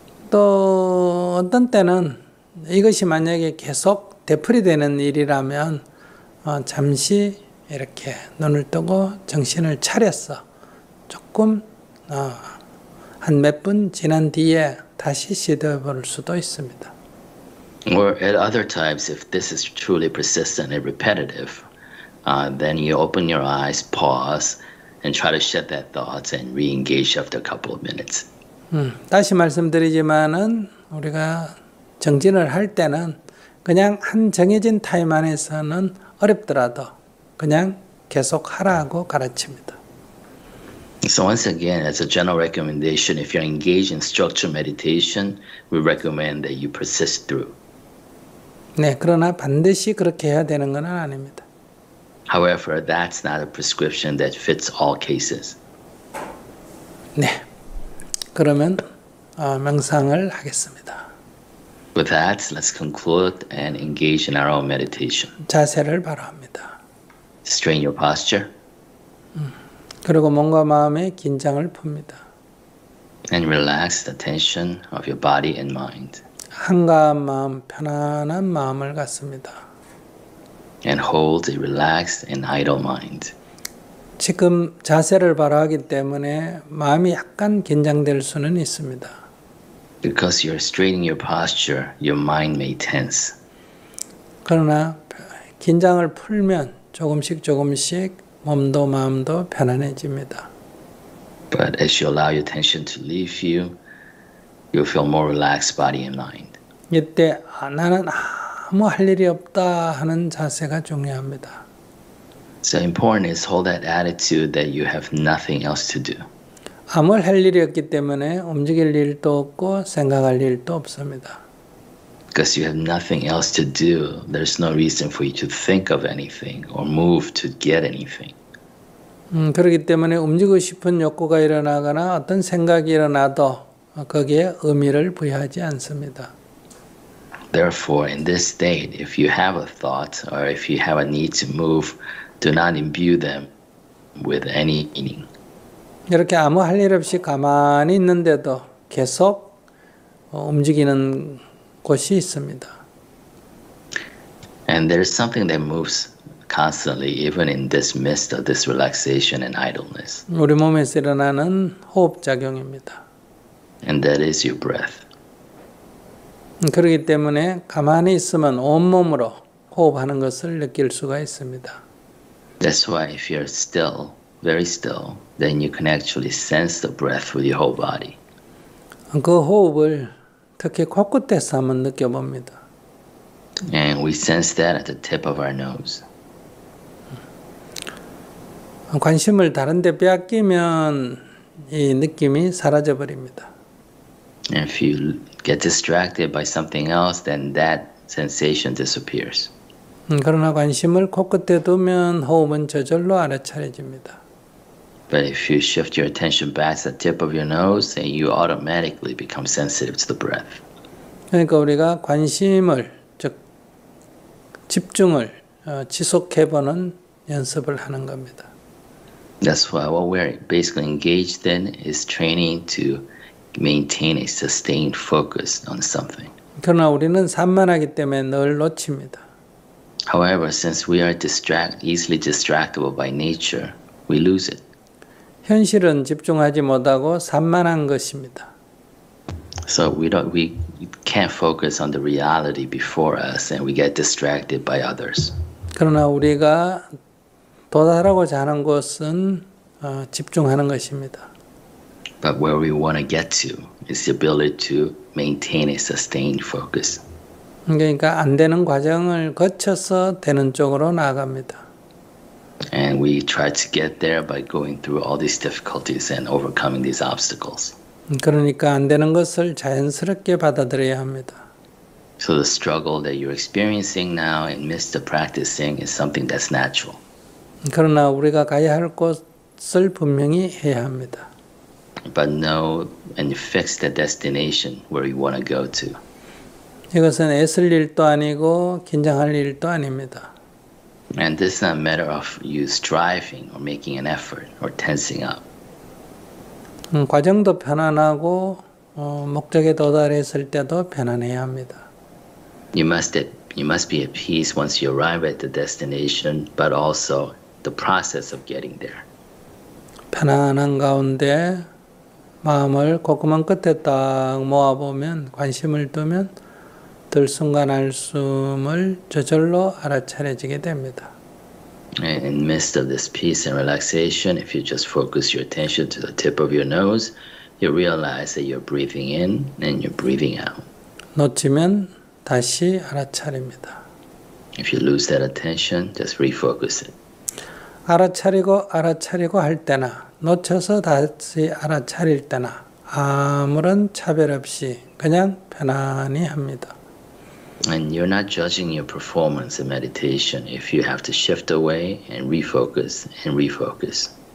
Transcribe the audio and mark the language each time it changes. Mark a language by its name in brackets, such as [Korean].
[Korean] 또 어떤 때는 이것이 만약에 계속 되풀이되는 일이라면 잠시 이렇게 눈을 뜨고 정신을 차렸어 조금 한 몇 분 지난 뒤에 다시 시도해 볼 수도 있습니다. [English] Or at other times, if this is truly persistent and repetitive, then you open your eyes, pause, and try to shed that thought and re-engage after a couple of minutes. [Korean] 다시 말씀드리지만은 우리가 정진을 할 때는 그냥 한 정해진 타임 안에서는 어렵더라도 그냥 계속 하라고 가르칩니다. [English] So once again, as a general recommendation, if you're engaged in structured meditation, we recommend that you persist through. [Korean] 네, 그러나 반드시 그렇게 해야 되는 건 아닙니다. [English] However, that's not a prescription that fits all cases. [Korean] 네. 그러면 명상을 하겠습니다. [English] With that, let's conclude and engage in our own meditation. [Korean] 자세를 바로합니다. [English] Strain your posture. [Korean] 그리고 몸과 마음의 긴장을 풉니다. [English] And relax the tension of your body and mind. [Korean] 한가한 마음, 편안한 마음을 갖습니다. [English] And hold a relaxed and idle mind. [Korean] 지금 자세를 바라기 때문에 마음이 약간 긴장될 수는 있습니다. [English] Because you're straining your posture, your mind may tense. [Korean] 그러나 긴장을 풀면 조금씩 조금씩 몸도 마음도 편안해집니다. [English] But as you allow your tension to leave you, you'll feel more relaxed body and mind. [Korean] 이때 나는 아무 할 일이 없다 하는 자세가 중요합니다. [English] So important is hold that attitude that you have nothing else to do. [Korean] 아무 할 일이 없기 때문에 움직일 일도 없고 생각할 일도 없습니다. [English] Because you have nothing else to do, there's no reason for you to think of anything or move to get anything. [Korean] 그렇기 때문에 움직이고 싶은 욕구가 일어나거나 어떤 생각이 일어나도 거기에 의미를 부여하지 않습니다. [English] Therefore, in this state, if you have a thought or if you have a need to move, do not imbue them with any meaning. [Korean] 이렇게 아무 할 일 없이 가만히 있는데도 계속 움직이는 곳이 있습니다. [English] And there is something that moves constantly, even in this midst of this relaxation and idleness. [Korean] 우리 몸에서 일어나는 호흡작용입니다. [English] And that is your breath. [Korean] 그렇기 때문에 가만히 있으면 온몸으로 호흡하는 것을 느낄 수가 있습니다. [English] That's why if you're still, very still, then you can actually sense the breath with your whole body. [Korean] 그 호흡을 특히 코끝에서 한번 느껴봅니다. [English] And we sense that at the tip of our nose. [Korean] 관심을 다른 데 빼앗기면 이 느낌이 사라져버립니다. [English] And if you get distracted by something else, then that sensation disappears. [Korean] 그러나 관심을 코끝에 두면 호흡은 저절로 알아차려집니다. [English] But if you shift your attention back to the tip of your nose, then you automatically become sensitive to the breath. [Korean] 그러니까 우리가 관심을, 즉 집중을 지속해보는 연습을 하는 겁니다. [English] That's why what we're basically engaged in is training to maintain a sustained focus on something. [Korean] 그러나 우리는 산만하기 때문에 늘 놓칩니다. [English] However, since we are easily distractible by nature, we lose it. [Korean] 현실은 집중하지 못하고 산만한 것입니다. [English] So we can't focus on the reality before us and we get distracted by others. [Korean] 그러나 우리가 도달하고자 하는 것은 집중하는 것입니다. [English] But where we want to get to is the ability to maintain a sustained focus. [Korean] 그러니까 안 되는 과정을 거쳐서 되는 쪽으로 나아갑니다. [English] And we try to get there by going through all these difficulties and overcoming these obstacles. [Korean] 그러니까 안 되는 것을 자연스럽게 받아들여야 합니다. [English] So the struggle that you're experiencing now and miss the practicing is something that's natural. [Korean] 그러나 우리가 가야 할 곳을 분명히 해야 합니다. [English] But know and fix the destination where you want to go to. [Korean] 이것은 애쓸 일도 아니고 긴장할 일도 아닙니다. [English] And this is not a matter of you striving or making an effort or tensing up. [Korean] 과정도 편안하고 목적에 도달했을 때도 편안해야 합니다. [English] You must be at peace once you arrive at the destination, but also the process of getting there. [Korean] 편안한 가운데 마음을 고구마 끝에 딱 모아보면 관심을 두면 들숨간 알숨을 저절로 알아차려지게 됩니다. [English] In the midst of this peace and relaxation, if you just focus your attention to the tip of your nose, you realize that you're breathing in and you're breathing out. [Korean] 놓치면 다시 알아차립니다. [English] If you lose that attention, just refocus it. [Korean] 알아차리고 할 때나 놓쳐서 다시 알아차릴 때나 아무런 차별 없이 그냥 편안히 합니다. [English] And you're not judging your performance in meditation if you have to shift away and refocus and refocus.